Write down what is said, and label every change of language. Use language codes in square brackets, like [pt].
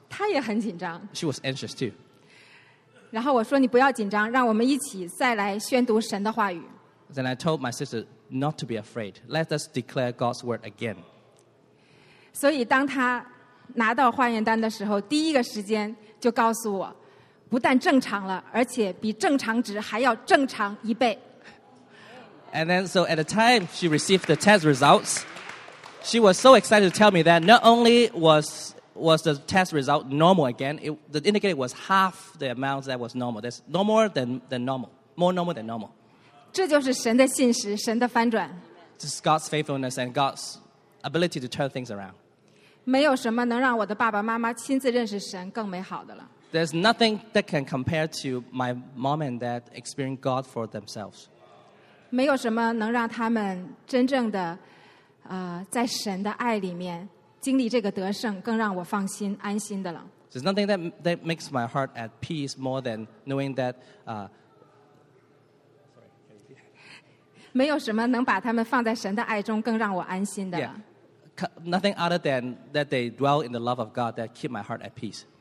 [zh] 她也很紧张。 [en] She was anxious too. [zh] 然后我说你不要紧张，让我们一起再来宣读神的话语。 [en] Then I told my sister not to be afraid. Let us declare God's word again. [zh] 所以当他拿到化验单的时候，第一个时间就告诉我，不但正常了，而且比正常值还要正常一倍。 [en] And then, so at the time she received the test results, she was so excited to tell me that not only was the test result normal again, the indicator was half the amount that was normal. That's no more than normal. More normal than normal. [zh] 这就是神的信实，神的翻转。 [en] This is God's faithfulness and God's ability to turn things around. [zh] 没有什么能让我的爸爸妈妈亲自认识神更美好的了。 [en] There's nothing that can compare to my mom and dad experiencing God for themselves. [zh] 没有什么能让他们真正的在神的爱里面经历这个得胜，更让我放心安心的了。 [en] There's nothing that makes my heart at peace more than knowing that. [zh] 没有什么能把他们放在神的爱中更让我安心的了。 [en] Nothing other than that they dwell in the love of God that keep my heart at peace.